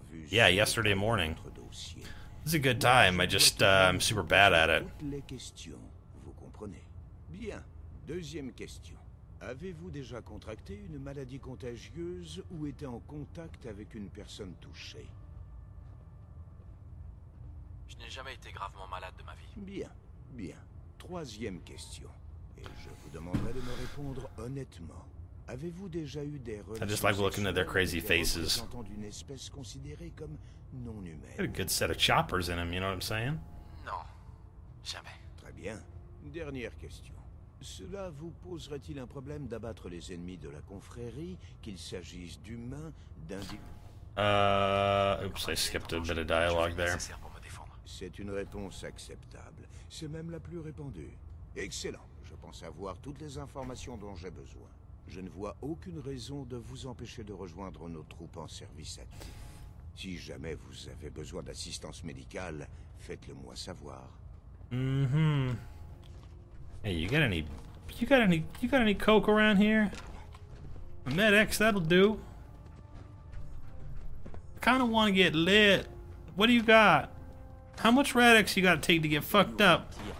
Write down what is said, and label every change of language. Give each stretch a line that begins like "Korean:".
English: Yesterday morning. It's a good time, I'm super bad at it.
French: Les questions, vous comprenez. Bien, deuxième question. Avez-vous déjà contracté une maladie contagieuse ou été en contact avec une personne touchée? Je n'ai jamais été gravement malade de ma vie. Bien, bien. Troisième question. Et je vous demanderai de me répondre honnêtement. Avez-vous déjà eu des
English: relations? I just like looking at their crazy faces.
French: D'une espèce considérée comme non humaine.
English: A good set of choppers in them, you know what I'm saying?
French: Non. Jamais. Très bien. Dernière question. Cela vous poserait-il un problème d'abattre les ennemis de la confrérie, qu'il s'agisse d'humains, d'individus?
English: Oops, I skipped a bit of dialogue there.
French: C'est une réponse acceptable. C'est même la plus répandue. Excellent. Je pense avoir toutes les informations dont j'ai besoin. Je ne vois aucune raison de vous empêcher de rejoindre nos troupes en service actif. Si jamais vous avez besoin d'assistance médicale, faites-le-moi savoir. Mm-hmm.
English: Hey, you got any coke around here? Med-X, that'll do. I kind of want to get lit. What do you got? How much Red-X you got to take to get fucked up?